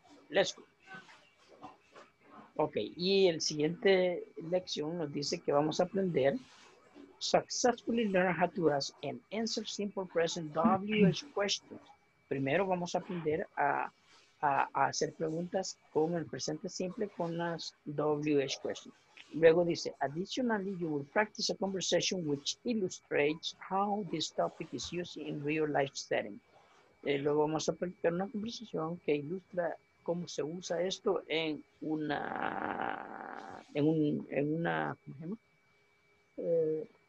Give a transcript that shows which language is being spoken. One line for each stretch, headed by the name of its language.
English: Let's go. Okay,
Spanish: y el siguiente lección nos dice que vamos a aprender
English: successfully learn how to ask and answer simple present WH questions.
Spanish: Primero vamos a aprender a a hacer preguntas con el presente simple con las WH questions. Luego dice,
English: additionally, you will practice a conversation which illustrates how this topic is used in real life setting.
Spanish: Luego vamos a practicar una conversación que ilustra cómo se usa esto en una, en un, en una, ¿cómo se llama?